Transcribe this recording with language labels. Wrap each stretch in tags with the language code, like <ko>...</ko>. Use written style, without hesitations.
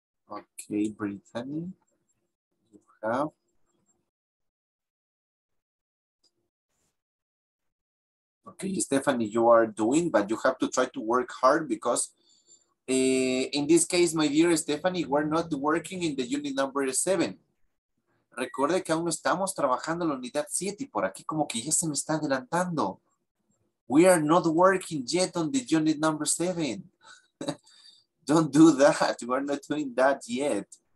<en>Okay, Brittany, you have. Okay, Stephanie, you are doing, but you have to try to work hard because in this case, my dear Stephanie, we're not working in the unit number 7.</en> <es>Recuerde que aún estamos trabajando en la unidad 7 y por aquí como que ya se me está adelantando.</es> <en>We are not working yet on the unit number 7. Don't do that. We're not doing that yet.</en>